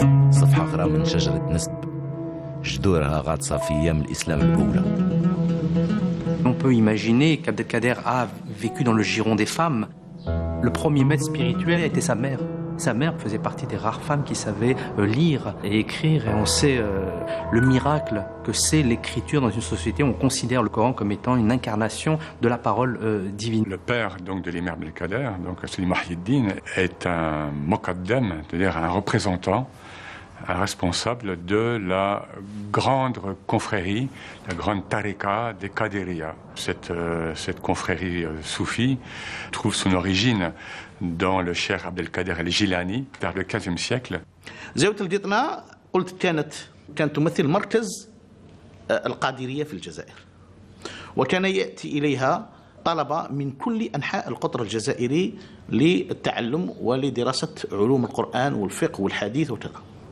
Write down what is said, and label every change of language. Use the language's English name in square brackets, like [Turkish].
[Arabic] صفحة أخرى من شجرة نسب جذورها غاطسة في أيام الإسلام الأولى. [French] On peut imaginer qu'Abd al-Kader a vécu dans le giron des femmes. Le premier maître spirituel était sa mère. Sa mère faisait partie des rares femmes qui savaient lire et écrire. Et on sait le miracle que c'est l'écriture dans une société où on considère le Coran comme étant une incarnation de la parole divine. Le père donc, de l'imam Abdelkader, donc Salim Mahyeddin, est un mokaddam, c'est-à-dire un représentant, un responsable de la grande confrérie, la grande tariqa des Qadiriyya. Cette confrérie soufie trouve son origine dans le cheikh Abdelkader al-Jilani, vers le 15e siècle. [Arabic] زاوية القطنة قلت كانت تمثل مركز القادرية في الجزائر. وكان يأتي إليها طلبة من كل أنحاء القطر الجزائري للتعلم ولدراسة علوم القرآن والفقه والحديث وكذا.